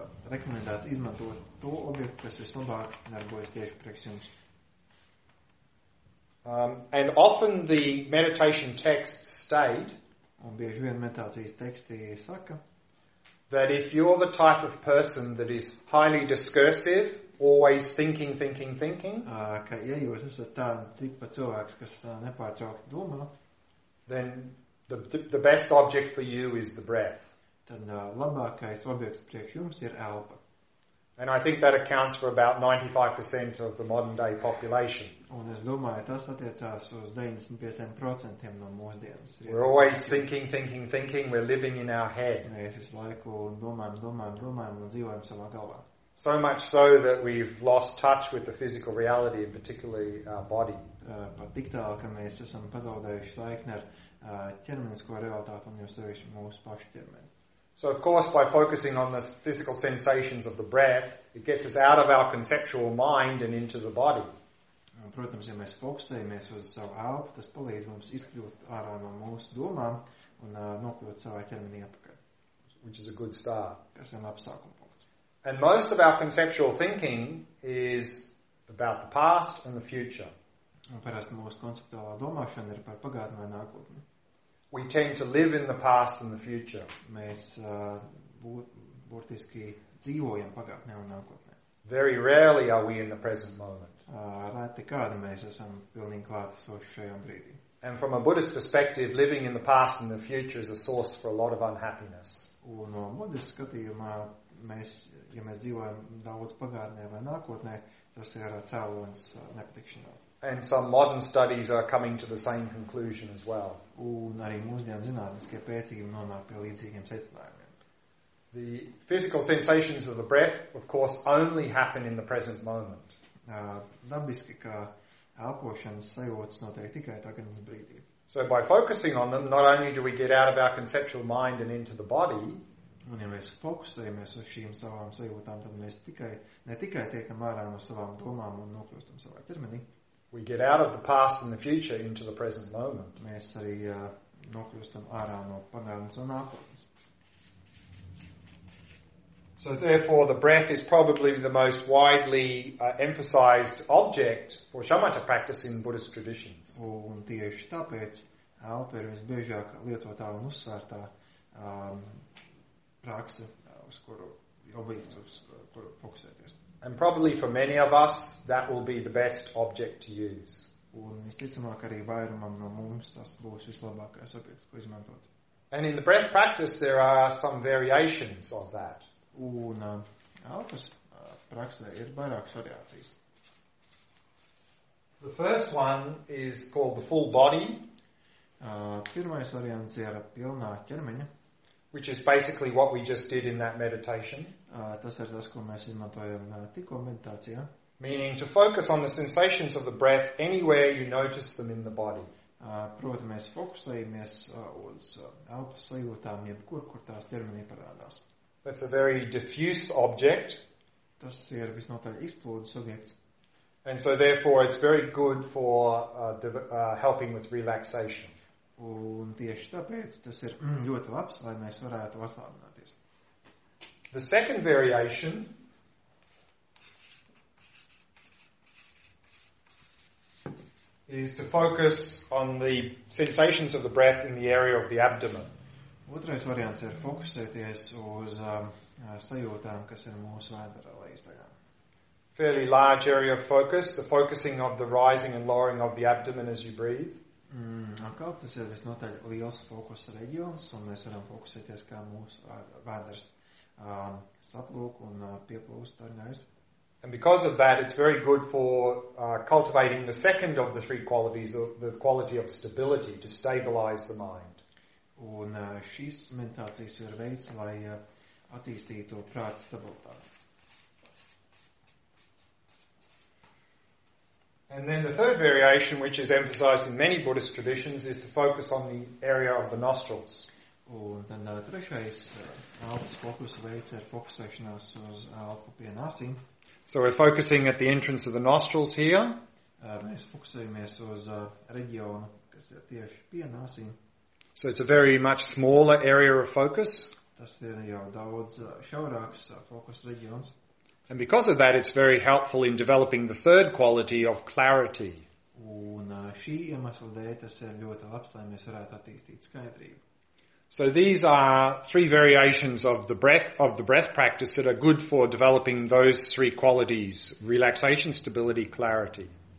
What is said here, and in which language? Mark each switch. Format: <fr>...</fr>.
<lv>Rekomendēt izmantot to objektu, kas vislabāk darbojas tieši priekš jums.</lv> <en>And often the meditation text state,</en> <lv>un bieži vien meditācijas teksti saka,</lv> <en>that if you're the type of person that is highly discursive, always thinking,</en> <lv>ka ja jūs esat tāds tipa cilvēks, kas nepārtraukti domā,</lv> <en>then the best object for you is the breath.</en> <lv>Tad labākais objekts priekš jums ir elpa.</lv> <en>And I think that accounts for about 95% of the modern day population.</en> <lv>Un es domāju, tas attiecās uz 95% no mūsdienas.</lv> <en>We're always thinking, we're living in our head.</en> <lv>Mēs visu laiku domājam un dzīvojam savā galvā.</lv> <en>So much so that we've lost touch with the physical reality, and particularly our body.</en> <lv>Pat tik tālu, ka mēs esam pazaudējuši laikni ar ķermenisko realitāti un jau sevišķi mūsu pašu ķermeni.</lv> <en>So of course by focusing on the physical sensations of the breath, it gets us out of our conceptual mind and into the body.</en> <lv>Protams, ja mēs fokusējamies uz savu elpu, tas palīdz mums izkļūt ārā no mūsu domām un nokļūt savā ķermenī apakaļ.</lv> <en>Which is a good start.</en> <lv>Kas ir labs sākumpunkts.</lv> <en>And most of our conceptual thinking is about the past and the future.</en> <lv>Un parasti mūsu konceptuālā domāšana ir par pagātni vai nākotni.</lv> <en>We tend to live in the past and the future.</en> <lv>Mēs būtiski dzīvojam pagātnē un nākotnē.</lv> <en>Very rarely are we in the present moment.</en> <lv>Reti kādi mēs esam pilnīgi klātesoši šajā brīdī.</lv> <en>And from a Buddhist perspective, living in the past and the future is a source for a lot of unhappiness.</en> <lv>Un no budistu skatījumā, ja mēs dzīvojam daudz pagātnē vai nākotnē, tas ir cēlons nepatikšanā.</lv> <en>And some modern studies are coming to the same conclusion as well.</en> <lv>Un arī mūsdienu zinātniskie pētījumi nonāk pie līdzīgiem secinājumiem.</lv> <en>The physical sensations of the breath, of course, only happen in the present moment.</en> <lv>Dabiski, ka elpošanas sajūtas notiek tikai tagadnes brīdī.</lv> <en>So by focusing on them, not only do we get out of our conceptual mind and into the body,</en> <lv>un ja mēs fokusējamies uz šīm savām sajūtām, tad mēs ne tikai tiekam ārā no savām domām un nokļūstam savā ķermenī,</lv> <en>we get out of the past and the future into the present moment.</en> <lv>Mēs arī nokļūstam ārā no pagātnes un nākotnes.</lv> <en>So therefore the breath is probably the most widely emphasized object for shamatha practice in Buddhist traditions.</en> <lv>Un tieši tāpēc elpa ir visbiežāk lietotā un uzsvērtā prakse, uz kuru fokusēties.</lv> <en>And probably for many of us that will be the best object to use.</en> <lv>Un visticamāk arī vairumam no mums tas būs vislabākais objekts, ko izmantot.</lv> <en>And in the breath practice there are some variations of that.</en> <lv>Un elpas praksē ir vairākas variācijas.</lv> <en>The first one is called the full body.</en> <lv>Pirmais variants ir pilnā ķermeņa.</lv> <en>Which is basically what we just did in that meditation.</en> <lv>Tas ir tas, ko mēs izmantojam tikko meditācijā.</lv> <en>Meaning to focus on the sensations of the breath anywhere you notice them in the body.</en> <lv>Protams, mēs fokusējamies uz elpas sajūtām, jebkur, kur tās ķermenī parādās.</lv> <en>That's a very diffuse object.</en> <lv>Tas ir visnotaļ izplūdes objekts.</lv> <en>And so therefore it's very good for helping with relaxation.</en> <lv>Un tieši tāpēc tas ir ļoti labs, lai mēs varētu atlādināties.</lv> <en>The second variation is to focus on the sensations of the breath in the area of the abdomen.</en> <lv>Otrais variants ir fokusēties uz sajūtām, kas ir mūsu vēdera lejasdaļā.</lv> <en>Fairly large area of focus, the focusing of the rising and lowering of the abdomen as you breathe.</en> <lv>Atkal, tas ir visnotaļ liels fokus reģions, un mēs varam fokusēties, kā mūsu vēders saplūk un pieplūst tarnājus.</lv> <en>And because of that, it's very good for cultivating the second of the three qualities, the quality of stability, to stabilize the mind.</en> <lv>Un šīs meditācijas ir veids, lai attīstītu prāta stabilitāti.</lv> <en>And then the third variation, which is emphasized in many Buddhist traditions, is to focus on the area of the nostrils.</en> <lv>Un tad trešais elpas fokusa veids ir fokusēšanās uz elpu pie nāsīm.</lv> <en>So we're focusing at the entrance of the nostrils here.</en> <lv>Mēs fokusējamies uz reģionu, kas ir tieši pie nāsīm.</lv> <en>So it's a very much smaller area of focus.</en> <lv>Tas ir jau daudz šaurāks fokus reģions.</lv> <en>And because of that, it's very helpful in developing the third quality of clarity.</en> <lv>Un šī iemesla dēļ tas ir ļoti labs, lai mēs varētu attīstīt skaidrību.</lv> <en>So these are three variations of the breath practice that are good for developing those three qualities: relaxation, stability, clarity.</en>